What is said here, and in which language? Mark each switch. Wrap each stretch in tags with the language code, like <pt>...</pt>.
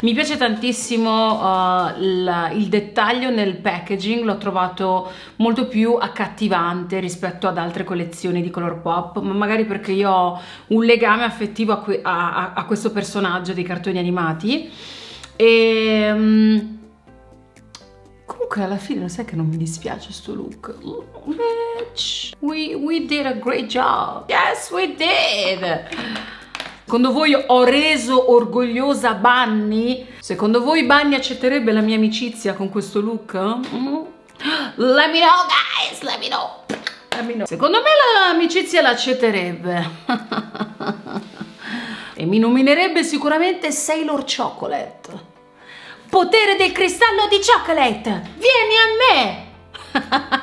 <it>Mi piace tantissimo il dettaglio nel packaging, l'ho trovato molto più accattivante rispetto ad altre collezioni di color pop, ma magari perché io ho un legame affettivo a questo personaggio dei cartoni animati. E comunque alla fine lo sai che non mi dispiace sto look.</it> <en>Bitch, we did a great job. Yes, we did.</en> <it>Secondo voi ho reso orgogliosa Bunny? Secondo voi Bunny accetterebbe la mia amicizia con questo look?</it> <en>Let me know, guys, let me know.</en> <it>Secondo me l'amicizia l'accetterebbe. E mi nominerebbe sicuramente Sailor Chocolate. Potere del cristallo di chocolate, vieni a me!</it>